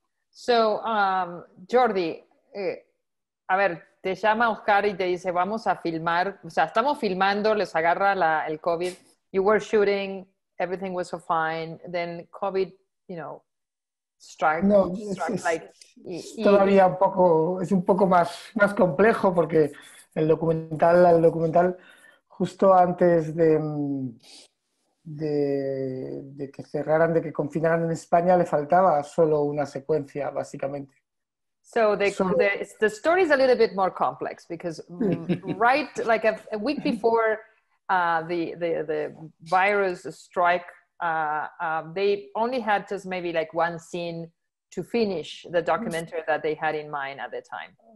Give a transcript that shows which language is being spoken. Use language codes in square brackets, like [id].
[es] So Jordi, a ver, te llama Oscar y te dice, vamos a filmar, o sea, estamos filmando, les agarra el COVID. [en] You were shooting, everything was so fine, then COVID, you know, strike. [es] No, es un poco más complejo porque el documental, justo antes de que cerraran, de que confinaran en España, le faltaba solo una secuencia, básicamente. [en] So the story is a little bit more complex because right like a week before the virus strike, they only had just maybe like one scene to finish the documentary that they had in mind at the time.